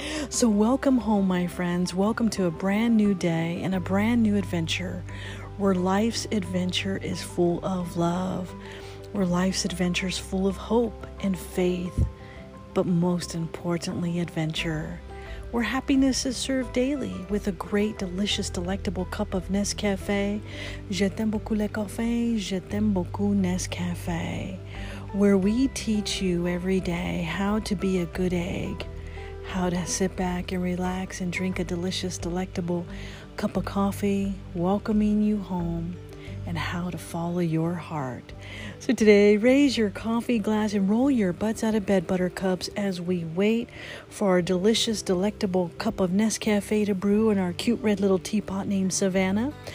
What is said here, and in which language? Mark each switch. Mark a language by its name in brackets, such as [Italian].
[English] So welcome home, my friends. Welcome to a brand new day and a brand new adventure, where life's adventure is full of love, where life's adventure is full of hope and faith, but most importantly, adventure, where happiness is served daily with a great, delicious, delectable cup of Nescafé. [French] Je t'aime beaucoup le café, je t'aime beaucoup Nescafé. [English] Where we teach you every day how to be a good egg, how to sit back and relax and drink a delicious, delectable cup of coffee, welcoming you home, and how to follow your heart. So today, raise your coffee glass and roll your butts out of bed, buttercups, as we wait for our delicious, delectable cup of Nescafe to brew in our cute red little teapot named Savannah.